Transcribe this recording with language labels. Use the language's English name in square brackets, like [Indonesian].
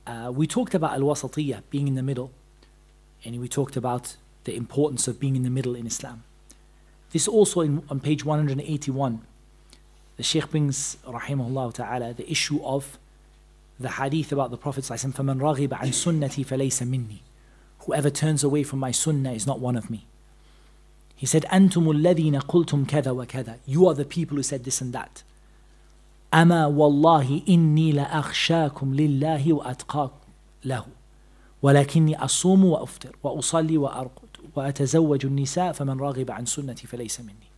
[English] We talked about al-wasatiyah, being in the middle. And we talked about the importance of being in the middle in Islam. This also on page 181, the Sheikh brings, rahimahullah ta'ala, the issue of the hadith about the Prophet sallallahu alayhi wa sallam, [Arabic] فَمَنْ رَغِبَ عَنْ سُنَّتِي فَلَيْسَ مِنِّي. [English] Whoever turns away from my sunnah is not one of me. He said, [Arabic] أَنْتُمُ الَّذِينَ قُلْتُمْ كَذَا وَكَذَا. [English] You are the people who said this and that. [Arabic] أَمَا وَاللَّهِ إِنِّي لَأَخْشَاكُمْ لِلَّهِ وَأَتْقَاكُمْ لَهُ وَلَكِنِّي أَصُومُ وَأُفْتِرُ وَأُصَلِّي وَأَرْقُدُ وَأَتَزَوَّجُ النِّسَاءَ فَمَنْ رَغِبَ عَنْ سُنَّتِي فَلَيْسَ مِنِّي.